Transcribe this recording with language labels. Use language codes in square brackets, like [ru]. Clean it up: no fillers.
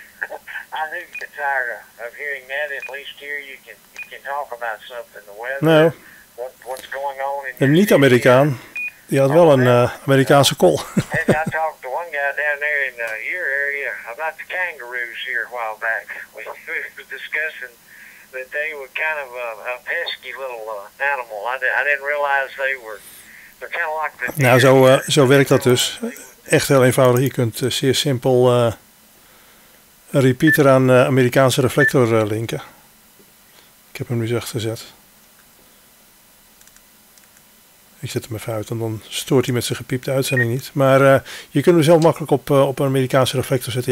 [en] But, I do get tired of hearing that. At least here you can talk about something. The weather. No. What's going on in [nl] een niet-Amerikaan, die had wel een Amerikaanse call. [en] I talked to one guy down there in your area about the kangaroos here a while back. We were discussing that they were kind of a pesky little animal. I didn't realize they were, they're kind of like the... [nl] Nou, zo werkt dat dus. Echt heel eenvoudig. Je kunt zeer simpel een repeater aan Amerikaanse reflector linken. Ik heb hem nu zacht gezet. Ik zet hem even uit en dan stoort hij met zijn gepiepte uitzending niet. Maar je kunt hem zelf makkelijk op een Amerikaanse reflector zetten.